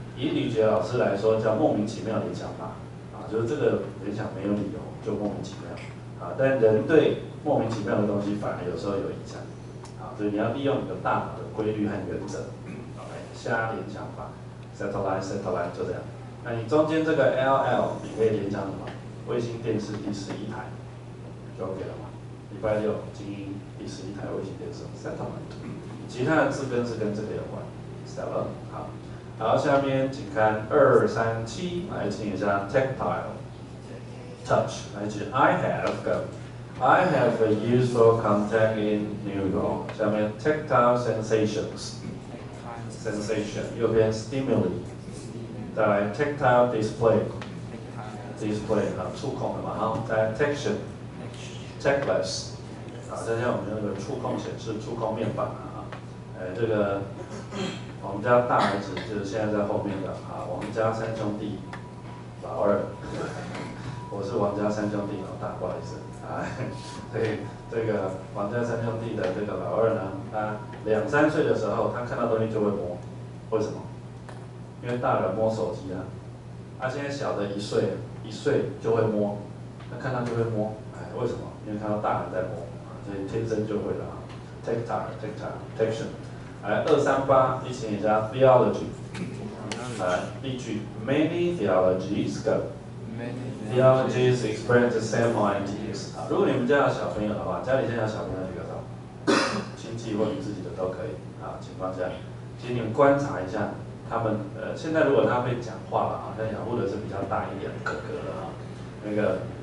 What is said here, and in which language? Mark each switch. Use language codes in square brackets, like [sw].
[zh] 以李觉老师来说，叫莫名其妙联想法，就是这个联想没有理由，就莫名其妙，但人对莫名其妙的东西反而有时候有影响，所以你要利用你的大脑的规律和原则，瞎联想法 ，satellite 就这样。那你中间这个 LL， 你可以联想什么？卫星电视第十一台，就 OK 了嘛？礼拜六精英第十一台卫星电视 satellite， 其他的字根是跟这个有关 ，stellar 好。好，下面请看237，来请一下 tactile touch， 来请 [en] I have a useful contact in New York。 [zh] 下面 tactile sensation， 右边 stimuli， 再来 tactile display 啊，触控的嘛，好，再来 tactless， 啊，这些我们用的触控显示、触控面板啊，这个。我们家大儿子就是现在在后面的啊，我们家三兄弟，老二，我是王家三兄弟老大，不好意思啊，所以这个王家三兄弟的这个老二呢，他两三岁的时候，他看到东西就会摸，为什么？因为大人摸手机啊，他现在小的一岁就会摸，他看到就会摸，为什么？因为看到大人在摸，所以天生就会了啊 ，tactile，tactile，tactile。来238，一起加 theology。来例句 [en] ，many theologies go。 theologies express the same ideas。 [zh] 如果你们家有小朋友的话，家里现在有小朋友举个手。亲戚或你自己的都可以啊情况下，其实你们观察一下他们，现在如果他会讲话了，好像讲或者是比较大一点哥哥了哈，那个。